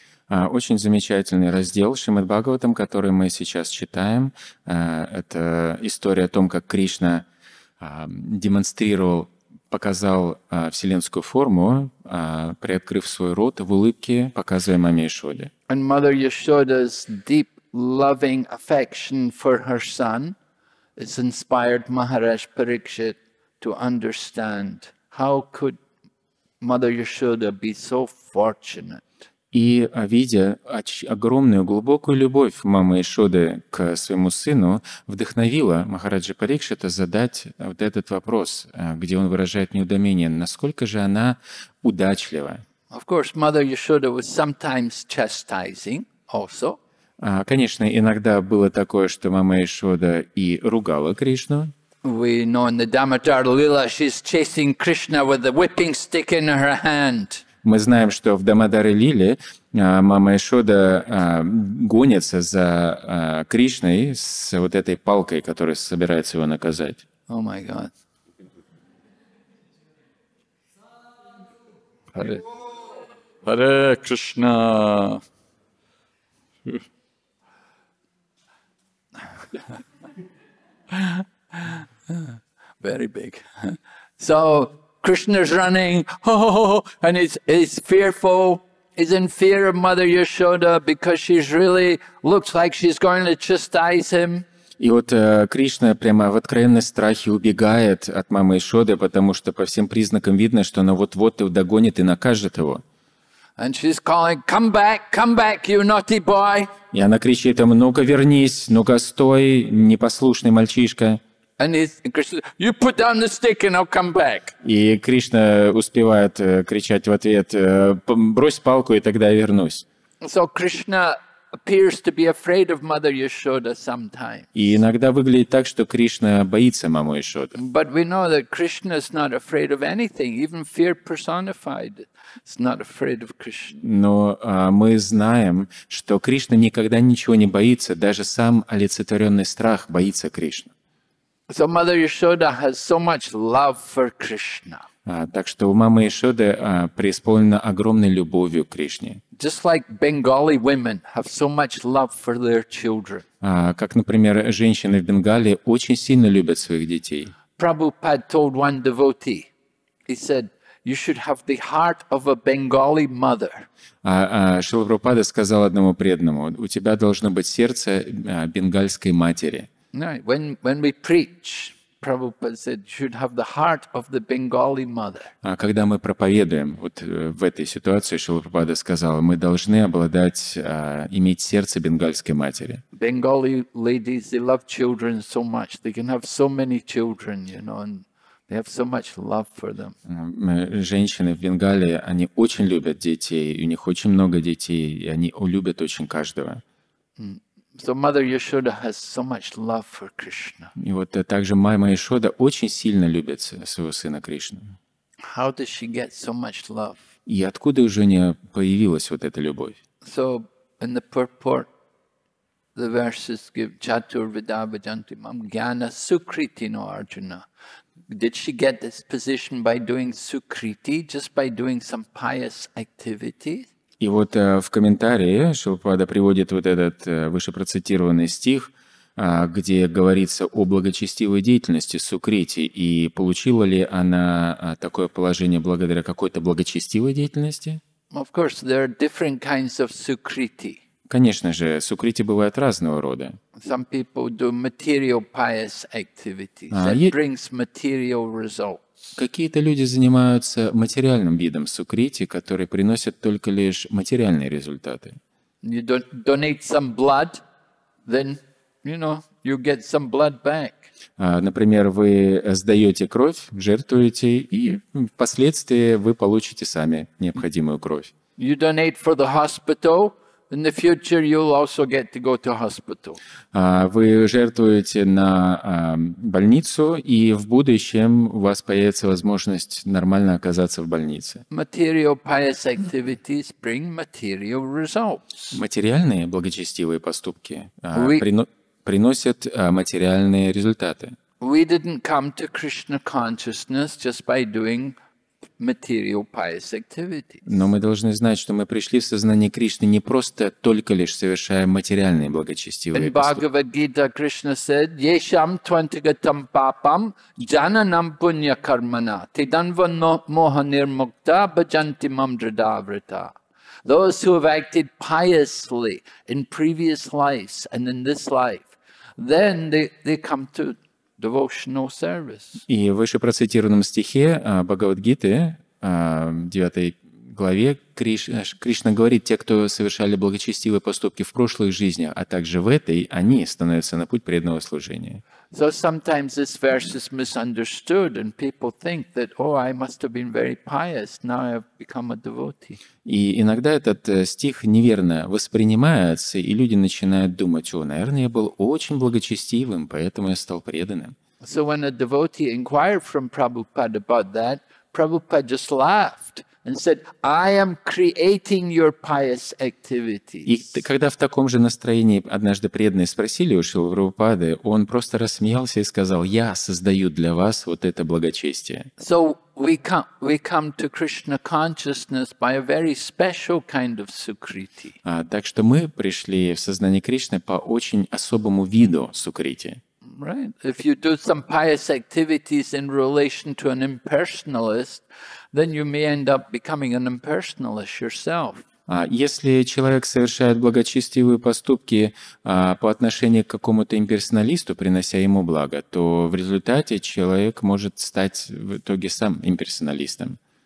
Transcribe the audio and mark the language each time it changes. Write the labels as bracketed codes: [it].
[ru] Очень замечательный раздел Шримад Бхагаватам, который мы сейчас читаем. Это история о том, как Кришна демонстрировал, показал вселенскую форму, приоткрыв свой рот в улыбке, показывая маме Ишоде. [en] And Mother Yashoda's deep loving affection for her son has inspired Maharaj Parikshit to understand how could Mother Yashoda be so fortunate. [ru] И видя огромную глубокую любовь мамы Ишоды к своему сыну, вдохновила Махараджа Парикшита задать вот этот вопрос, где он выражает неудомение, насколько же она удачлива. [en] Of course, Mother Yashoda was sometimes chastising also. [ru] Конечно, иногда было такое, что мама Ишода и ругала Кришну. [en] We know in the Damodar Lila she's chasing Krishna with a whipping stick in her hand. [ru] Мы знаем, что в Дамодаре Лиле мама Ишода гонится за Кришной с вот этой палкой, которая собирается его наказать. О, мой Бог. Харе Кришна. [en] Very big. So Krishna's running, and he's fearful. He's in fear of Mother Yashoda because she's really looks like she's going to chastise him. [ru] И вот Кришна прямо в откровенном страхе убегает от мамы Ишоды, потому что по всем признакам видно, что она вот-вот его догонит и накажет его. [en] And she's calling, come back, you naughty boy. [ru] И она кричит ему: ну-ка вернись, ну-ка стой, непослушный мальчишка. [en] And Krishna, you put down the stick and I'll come back. [ru] И Кришна успевает кричать в ответ: брось палку, и тогда я вернусь. [en] So Krishna appears to be afraid of Mother Yashoda sometimes. [ru] И иногда выглядит так, что Кришна боится маму Ишоды. [en] But we know that Krishna is not afraid of anything, even fear personified. He's not afraid of Krishna. [ru] Но мы знаем, что Кришна никогда ничего не боится, даже сам олицетворенный страх боится Кришны. [en] So Mother Yashoda has so much love for Krishna. [ru] Так что у мамы Ишоды преисполнена огромной любовью к Кришне. [en] Just like Bengali women have so much love for their children. [ru] Как, например, женщины в Бенгалии очень сильно любят своих детей. [en] Prabhupada told one devotee, he said, you should have the heart of a Bengali mother. [ru] Шрила Прабхупада сказал одному преданному: у тебя должно быть сердце бенгальской матери. [en] Right. When we preach, Prabhupada said, you should have the heart of the Bengali mother. [ru] Когда мы проповедуем, вот в этой ситуации Шрила Прабхупада сказал, мы должны обладать, иметь сердце бенгальской матери. [en] Bengali ladies, they love children so much. They can have so many children, you know, and they have so much love for them. [ru] Женщины в Бенгалии, они очень любят детей, у них очень много детей, и они любят очень каждого. [en] So Mother Yashoda has so much love for Krishna. [ru] И вот также мама Ишода очень сильно любит своего сына Кришну. [en] How does she get so much love? [ru] И откуда уже у нее появилась вот эта любовь? [en] So in the purport, the verses give [sa] Chatur Vidabhajanti Mam Gyana Sukritino Arjuna. [en] Did she get this position by doing Sukriti, just by doing some pious activity? [ru] И вот в комментарии Шилпада приводит вот этот выше процитированный стих, где говорится о благочестивой деятельности Сукрити, и получила ли она такое положение благодаря какой-то благочестивой деятельности? [en] Of course, there are different kinds of Sukriti. [ru] Конечно же, Сукрити бывают разного рода. [en] Some people do material pious activities that brings material results. [ru] Какие-то люди занимаются материальным видом сукрити, которые приносят только лишь материальные результаты. [en] You donate some blood, then, you know, you get some blood back. [ru] Например, вы сдаете кровь, жертвуете, и впоследствии вы получите сами необходимую кровь. [en] you donate for the hospital, in the future you'll also get to go to hospital. [ru] Вы жертвуете на больницу, и в будущем у вас появится возможность нормально оказаться в больнице. [en] Material pious activities bring material results. [ru] Материальные благочестивые поступки приносят материальные результаты. [en] We didn't come to Krishna consciousness just by doing material pious activities. [ru] Но мы должны знать, что мы пришли в сознание Кришны не просто только лишь совершая материальные благочестивые поступки. [en] In Bhagavad Gita, Krishna said, [sa] "Yesham twantigatam papam jananam punya karmana tidanva mohanirmukta bhajanti mam dridavrita." [en] Those who have acted piously in previous lives and in this life, then they come to devotional service. [ru] И в вышепроцитированном стихе Бхагавад-гиты, 9 главе, Кришна говорит, те, кто совершали благочестивые поступки в прошлых жизнях, а также в этой, они становятся на путь преданного служения. [en] So sometimes this verse is misunderstood and people think that, oh, I must have been very pious, now I've become a devotee. [ru] И иногда этот стих неверно воспринимается, и люди начинают думать, о, наверное, я был очень благочестивым, поэтому я стал преданным. [en] So when a devotee inquired from Prabhupada about that, Prabhupada just laughed and said, I am creating your pious activities. [ru] И когда в таком же настроении однажды преданные спросили у Шрилы Прабхупады, он просто рассмеялся и сказал, я создаю для вас вот это благочестие. [en] So we come to Krishna consciousness by a very special kind of sukriti. [ru] Так что мы пришли в сознание Кришны по очень особому виду сукрити. [en] Right. If you do some pious activities in relation to an impersonalist, then you may end up becoming an impersonalist yourself. [ru] Если человек совершает благочестивые поступки по отношению к какому-то имперсоналисту, принося ему благо, то в результате человек может стать в итоге сам имперсоналистом.